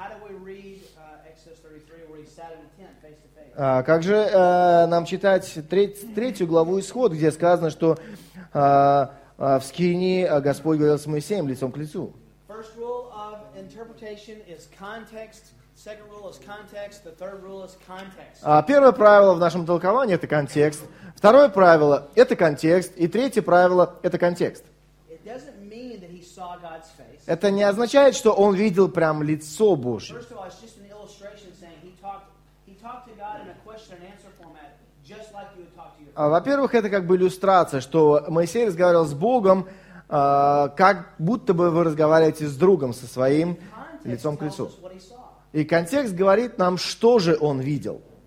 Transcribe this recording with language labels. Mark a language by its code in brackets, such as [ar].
[en] how do we read Exodus 33 where he sat in a tent face to face? [ru] Как же нам читать третью главу Исход, где сказано, что в скинии Господь говорил с Моисеем лицом к лицу? [en] First rule of interpretation is context. Second rule is context. The third rule is context. [ru] Первое правило в нашем толковании — это контекст. Второе правило — это контекст. И третье правило — это контекст. [en] It doesn't mean that he saw God's face. [ru] Это не означает, что он видел прям лицо Божье. [en] First of all, it's just an illustration saying he talked to God in a question and answer format, just like you would talk to your friend. [ru] Во-первых, это как бы иллюстрация, что Моисей разговаривал с Богом, как будто бы вы разговариваете с другом, со своим лицом к лицу. И контекст говорит нам, что же он видел.